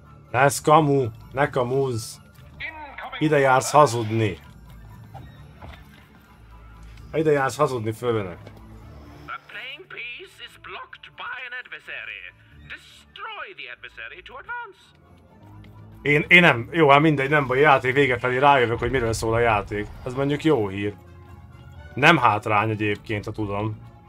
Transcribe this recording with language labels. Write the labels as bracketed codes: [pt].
[hu] Ez kamu, ne kamuzz. Ide jársz hazudni. Ide jársz hazudni, fővenek. [en] A playing piece is blocked by an adversary. Destroy the adversary to advance. [hu] Én nem, jó, hát mindegy, nem baj, a játék vége felé rájövök, hogy miről szól a játék. Ez mondjuk jó hír. Nem hátrány egyébként, ha tudom.